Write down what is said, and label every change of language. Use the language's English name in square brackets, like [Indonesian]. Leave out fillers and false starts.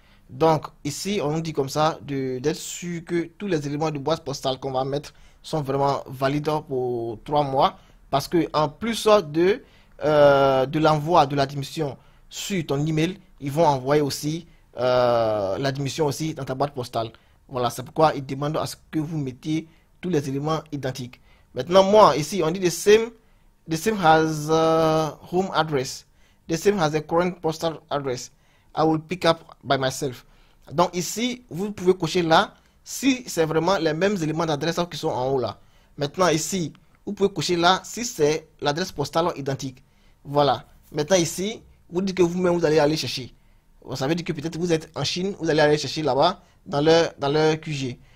[French] Donc ici, on dit comme ça de d'être sûr que tous les éléments de boîte postale qu'on va mettre sont vraiment valides pour 3 mois, parce que en plus de l'envoi de l'admission sur ton email, ils vont envoyer aussi l'admission aussi dans ta boîte postale. Voilà, c'est pourquoi ils demandent à ce que vous mettiez tous les éléments identiques. Maintenant, moi, ici, on dit [English] the same has a home address. The same has a current postal address. I will pick up by myself. [French] Donc, ici, vous pouvez cocher là si c'est vraiment les mêmes éléments d'adresse qui sont en haut là. Maintenant, ici, vous pouvez cocher là si c'est l'adresse postale identique. Voilà. Maintenant, ici, vous dites que vous-même, vous allez aller chercher. Vous savez que peut-être vous êtes en Chine, vous allez aller chercher là-bas dans leur QG.